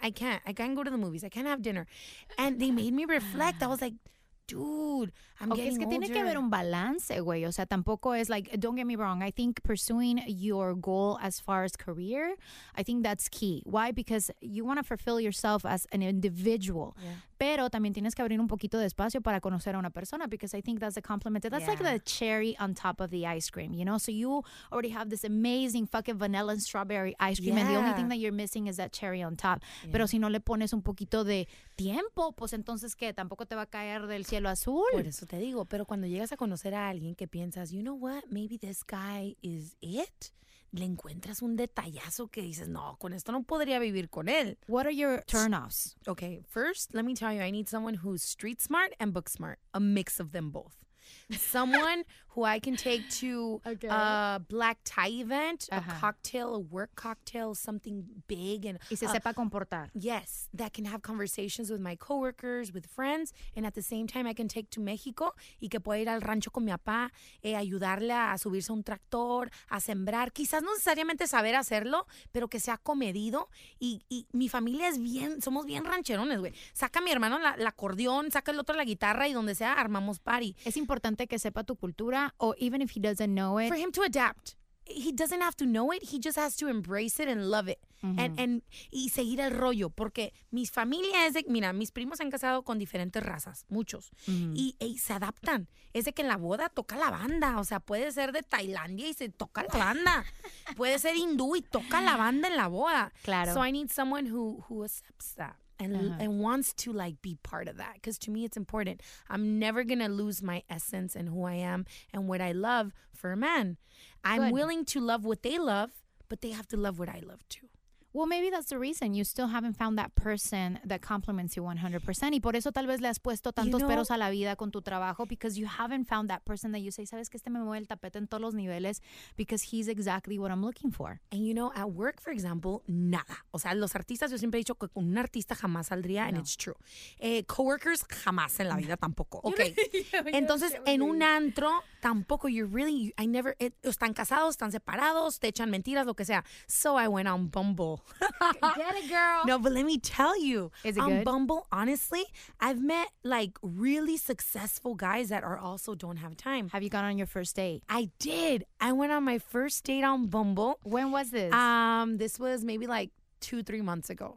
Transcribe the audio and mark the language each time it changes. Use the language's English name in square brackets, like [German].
[English] I can't go to the movies. I can't have dinner. And they made me reflect. I was like, dude, I'm getting [Spanish] older. Tiene que haber un balance, güey. O sea, tampoco es [English] like, don't get me wrong. I think pursuing your goal as far as career, I think that's key. Why? Because you want to fulfill yourself as an individual. Yeah. [Spanish] Pero también tienes que abrir un poquito de espacio para conocer a una persona, [English] because I think that's a compliment. That's like the cherry on top of the ice cream, you know? So you already have this amazing fucking vanilla and strawberry ice cream, and the only thing that you're missing is that cherry on top. Yeah. [Spanish] Pero si no le pones un poquito de tiempo, pues entonces, ¿qué? ¿Tampoco te va a caer del cielo azul? Por eso te digo, pero cuando llegas a conocer a alguien que piensas, [English] you know what, maybe this guy is it, [Spanish] le encuentras un detallazo que dices, no, con esto no podría vivir con él. [English] What are your turnoffs? Okay, first, let me tell you, I need someone who's street smart and book smart, a mix of them both. Someone who I can take to a black tie event, a cocktail, a work cocktail, something big. And, [Spanish] y se sepa comportar. [English] Yes, that can have conversations with my coworkers, with friends. And at the same time, I can take to Mexico [Spanish] y que pueda ir al rancho con mi papá, ayudarle a subirse a un tractor, a sembrar. Quizás no necesariamente saber hacerlo, pero que sea comedido. Y mi familia es bien, somos bien rancherones, güey. Saca a mi hermano la acordeón, saca el otro la guitarra y donde sea, armamos party. Es importante que sepa tu cultura, [English] or even if he doesn't know it. For him to adapt. He doesn't have to know it. He just has to embrace it and love it. [Spanish] Mm-hmm. And y seguir el rollo. Porque mi familia es de... Mira, mis primos se han casado con diferentes razas. Muchos. Mm-hmm. Y se adaptan. Es de que en la boda toca la banda. O sea, puede ser de Tailandia y se toca la banda. Puede ser hindú y toca la banda en la boda. Claro. [English] So I need someone who accepts that. And wants to, like, be part of that. Because to me, it's important. I'm never going to lose my essence and who I am and what I love for a man. I'm willing to love what they love, but they have to love what I love, too. Well, maybe that's the reason. You still haven't found that person that compliments you 100%. [Spanish] Y por eso tal vez le has puesto tantos peros a la vida con tu trabajo, [English] because you haven't found that person that you say, [Spanish] sabes que este me mueve el tapete en todos los niveles, [English] because he's exactly what I'm looking for. And you know, at work, for example, [Spanish] nada. O sea, los artistas, yo siempre he dicho que un artista jamás saldría, [English] and it's true. [Spanish] Coworkers, jamás en la vida tampoco. Okay. Entonces, en un antro, tampoco, están casados, están separados, te echan mentiras, lo que sea. [English] So I went on Bumble. Get it, girl. No, but let me tell you. Is it good? On Bumble, honestly, I've met like really successful guys that are also don't have time. Have you gone on your first date? I did. I went on my first date on Bumble. When was this? This was maybe like 2-3 months ago.